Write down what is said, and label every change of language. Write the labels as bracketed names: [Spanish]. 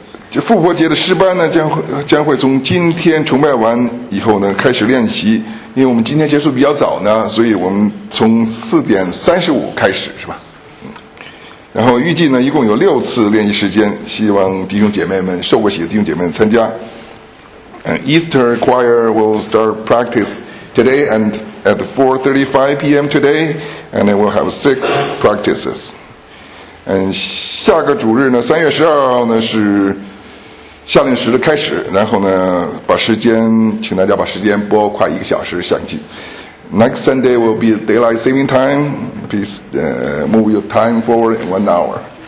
[Chinese] 这复活节的诗班呢，将会从今天崇拜完以后呢开始练习。因为我们今天结束比较早呢，所以我们从4:35开始，是吧？然后预计呢，一共有六次练习时间，希望弟兄姐妹们受过洗的弟兄姐妹们参加。 [English] Easter choir will start practice today and at 4:35 p.m. today, and then we'll have six practices. [Chinese] 下个主日呢，3月12号呢是夏令时的开始，然后呢，把时间，请大家把时间拨快一个小时相继。 [English] Next Sunday will be daylight saving time. Please move your time forward in 1 hour.